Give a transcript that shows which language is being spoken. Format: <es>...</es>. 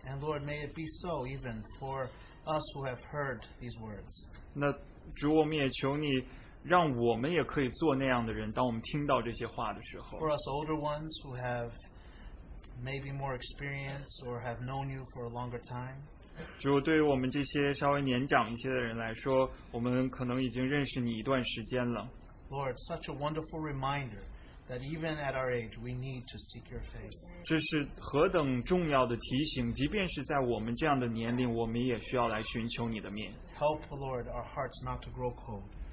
<en>And Lord, may it be so even for us who have heard these words.</en> <zh>那主，我们也求你。让我们也可以做那样的人，当我们听到这些话的时候。</zh> <en>For us older ones who have maybe more experience or have known you for a longer time.</en> <zh>主，对于我们这些稍微年长一些的人来说，我们可能已经认识你一段时间了。</zh> <en>Lord, such a wonderful reminder that even at our age, we need to seek your face.</en> <zh>这是何等重要的提醒，即便是在我们这样的年龄，我们也需要来寻求你的面。</zh> <en>Help, Lord, our hearts not to grow cold.</en>